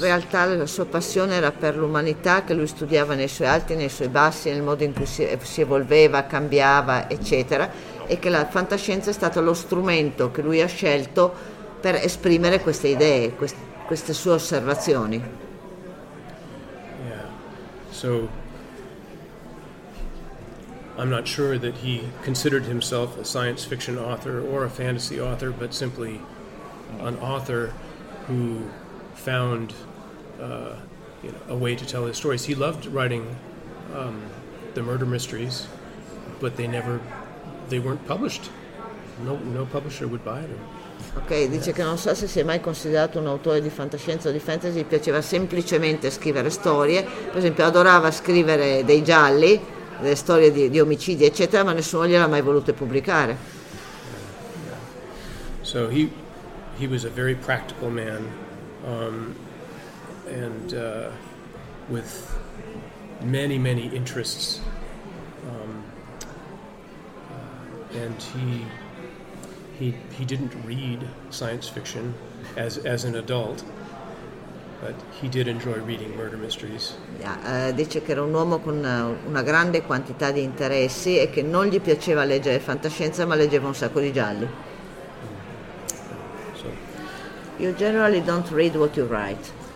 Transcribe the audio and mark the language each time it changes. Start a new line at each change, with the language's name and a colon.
Italian: In realtà la sua passione era per l'umanità, che lui studiava nei suoi alti, nei suoi bassi, nel modo in cui si evolveva, cambiava, eccetera, e che la fantascienza è stato lo strumento che lui ha scelto per esprimere queste idee, queste sue osservazioni.
English: Yeah. So I'm not sure that he considered himself a science fiction author or a fantasy author, but simply an author who found a way to tell his stories. He loved writing the murder mysteries, but they weren't published. No publisher would buy them.
Italian: Ok, dice che non so se si è mai considerato un autore di fantascienza o di fantasy, gli piaceva semplicemente scrivere storie, per esempio adorava scrivere dei gialli, delle storie di omicidi, eccetera, ma nessuno gliel'ha mai voluto pubblicare.
English: So he was a very practical man, and with many, many interests, and he didn't read science fiction as an adult, but he did enjoy reading murder mysteries.
Italian: Yeah, dice che era un uomo con una grande quantità di interessi e che non gli piaceva leggere fantascienza, ma leggeva un sacco di gialli.
English: So, you generally don't read what you write.